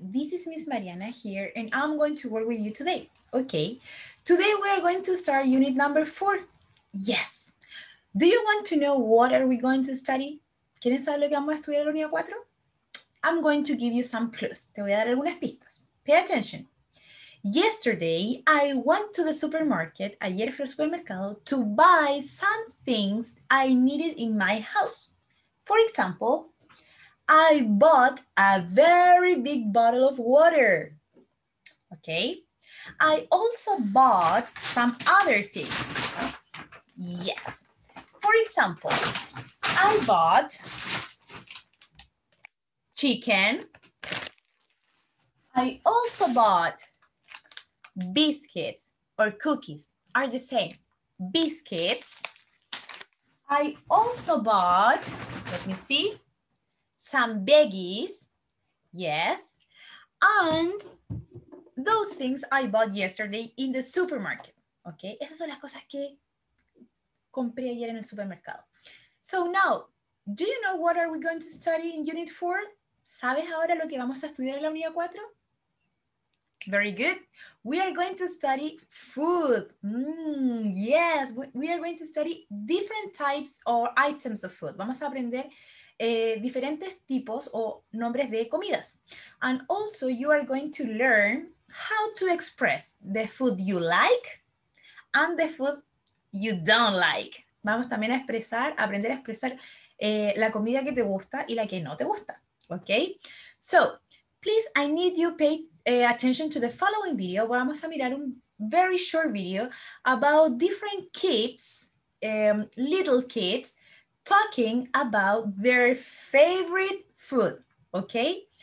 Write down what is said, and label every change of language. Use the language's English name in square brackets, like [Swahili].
[English] This is Miss Mariana here, and I'm going to work with you today. Okay, today we are going to start unit number 4. Yes. Do you want to know what are we going to study? [Spanish] ¿Quieren saber lo que vamos a estudiar en la unidad 4? [English] I'm going to give you some clues. [Spanish] Te voy a dar algunas pistas. [English] Pay attention. Yesterday, I went to the supermarket, [Spanish] ayer fui al supermercado, [English] to buy some things I needed in my house. For example, I bought a very big bottle of water. Okay. I also bought some other things. Yes. For example, I bought chicken. I also bought biscuits or cookies are the same. Biscuits. I also bought, let me see, some baggies, yes, and those things I bought yesterday in the supermarket, okay? [Spanish] Esas son las cosas que compré ayer en el supermercado. [English] So now, do you know what are we going to study in Unit 4? [Spanish] ¿Sabes ahora lo que vamos a estudiar en la Unidad 4? [English] Very good. We are going to study food. Yes, we are going to study different types or items of food. [Spanish] Vamos a aprender diferentes tipos o nombres de comidas. [English] And also you are going to learn how to express the food you like and the food you don't like. [Spanish] Vamos también a expresar, aprender a expresar la comida que te gusta y la que no te gusta. [English] Okay? So, please, I need you pay attention to the following video. [Spanish] Vamos a mirar un [English] very short video about different kids, little kids, talking about their favorite food, okay?